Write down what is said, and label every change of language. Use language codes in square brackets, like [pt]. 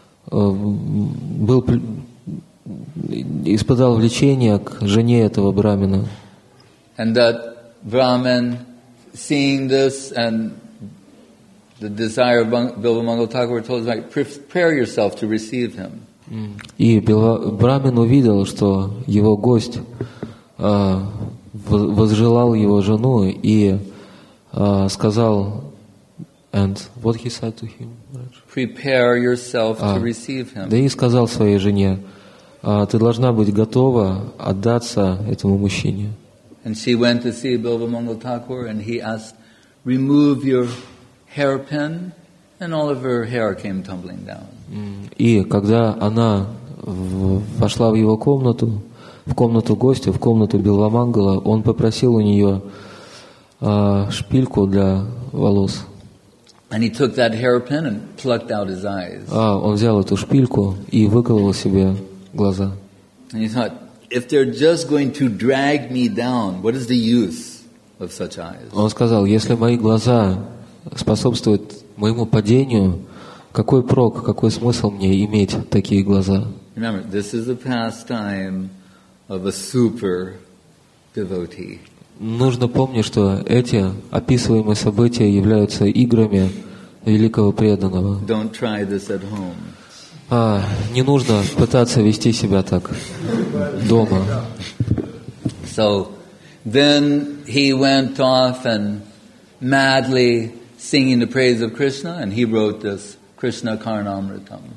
[ru] Он был испытал влечение к жене этого брахмана. [en] And that Brahmin, seeing this and the desire of Bilva Mangal Thakur, told his wife, prepare yourself to receive him. [ru] И брахмин увидел, что его гость возжелал его жену и сказал, [en] and what he said to him, prepare yourself to receive him. [ru] Да и сказал своей жене, ты должна быть готова отдаться этому мужчине. [en] And she went to see Bilva Mangal Thakur, and he asked, remove your hairpin, and all of her hair came tumbling down. [ru] И когда она вошла в его комнату, в комнату гостя, в комнату Билва Мангала, он попросил у нее шпильку для волос. [en] And he took that hairpin and plucked out his eyes. [ru] Он взял эту шпильку и выколол себе глаза. [en] And he thought, if they're just going to drag me down, what is the use of such eyes? [ru] Он сказал, если мои глаза способствуют моему падению, какой прок, какой смысл мне иметь такие глаза? [en] Remember, this is the pastime of a super devotee. [ru] Нужно помнить, что эти описываемые события являются играми великого преданного. [en] Don't try this at home. [ru] А, не нужно пытаться вести себя так дома. [en] So, then he went off and madly singing the praise of Krishna, and he wrote this Krishna Karnamritam.